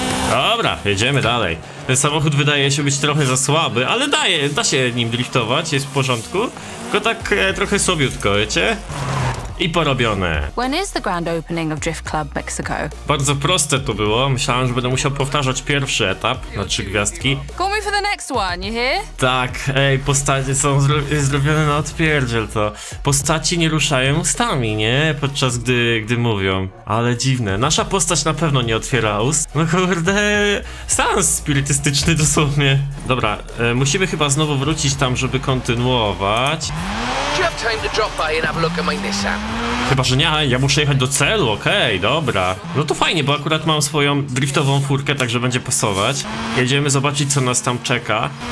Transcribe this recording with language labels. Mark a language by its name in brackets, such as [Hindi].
[Polish] Dobra, jedziemy dalej. Ten samochód wydaje się być trochę za słaby, ale da się nim driftować, jest w porządku. Tylko tak trochę słabiutko, wiecie? I porobione. [English] When is the grand opening of Drift Club Mexico? [Polish] Bardzo proste to było. Myślałem, że będę musiał powtarzać pierwszy etap na trzy gwiazdki. [English] Call me for the next one, you hear? [Polish] Tak, ej, postacie są zrobione na odpierdziel to. Postaci nie ruszają ustami, nie? Podczas gdy mówią. Ale dziwne. Nasza postać na pewno nie otwiera ust. No kurde, seans spirytystyczny dosłownie. Dobra, musimy chyba znowu wrócić tam, żeby kontynuować. [English] Do you have time to drop by and have a look at my Nissan? [Polish] Chyba, że nie, ja muszę jechać do celu, okej, dobra. No to fajnie, bo akurat mam swoją driftową furkę, także będzie pasować. Jedziemy zobaczyć, co nas tam czeka.